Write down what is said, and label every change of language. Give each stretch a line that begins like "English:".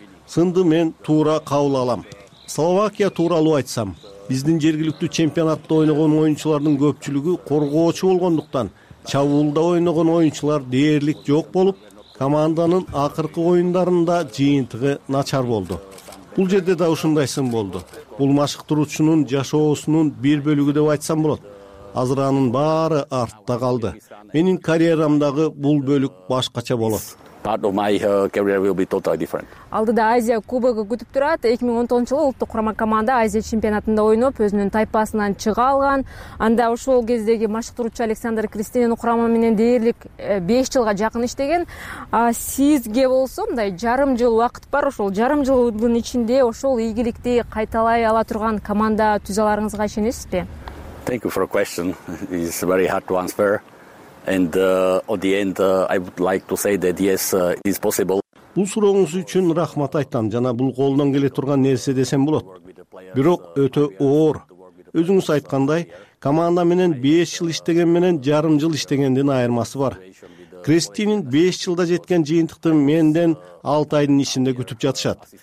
Kyrgyz: Сынды мен туура кабыл алам. Словакия тууралуу айтсам, биздин жергиликтүү чемпионатта ойногон оюнчулардын көпчүлүгү коргоочу болгондуктан, чабуулда ойногон оюнчулар дээрлик жок болуп, команданын акыркы оюндарында жыйынтыгы начар болду. Бул жерде да ушундай сын болду. Бул машыктыруучунун жашоосунун бир бөлүгү деп айтсам болот. Азыранын баары артта калды. Менин карьерамдагы бул бөлүк башкача болот.
English: Part of my career will be totally different.
Kyrgyz: Алдыда Азия Кубогу күтүп турат. 2019-жылы улуттук курама команда Азия чемпионатында ойноп, өзүнүн тайпасынан чыга алган. Анда ошол кездеги машыктыруучу Александр Кристинин курама менен дээрлик 5 жылга жакын иштеген. Сизге болсо мындай жарым жыл убакыт бар. Ошол жарым жылдын ичинде ошол ийгиликти кайталай ала турган команда түзө аларыңызга ишенесизби?
English: Thank you for a question. It's very hard to answer. And at the end I would like to say that yes it is possible.
Kyrgyz: Бул сурооңуз үчүн рахмат айтам жана бул колдон келе турган нерсе десем болот. Бирок өтө оор. Өзүңүз айткандай, команда менен 5 жыл иштеген менен жарым жыл иштегендин айырмасы бар. Кристинин 5 жылда жеткен жыйынтыкты менден 6 айдын ичинде күтүп жатышат.